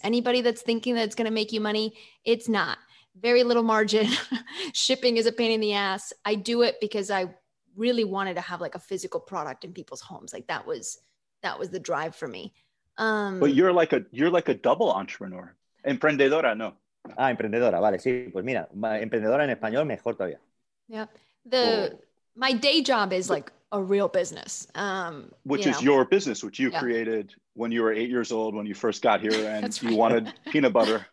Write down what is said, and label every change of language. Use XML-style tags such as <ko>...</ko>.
<en>Anybody that's thinking that it's going to make you money, it's not. Very little margin. Shipping is a pain in the ass. I do it because I really wanted to have like a physical product in people's homes. Like that was the drive for me. But you're like a double entrepreneur.</en> <es>Emprendedora, no. Ah, emprendedora. Vale, sí. Pues mira, emprendedora en español mejor todavía.</es> <en>Yeah. My day job is like a real business. Your business, which you created when you were 8 years old, when you first got here and you wanted peanut butter.</en>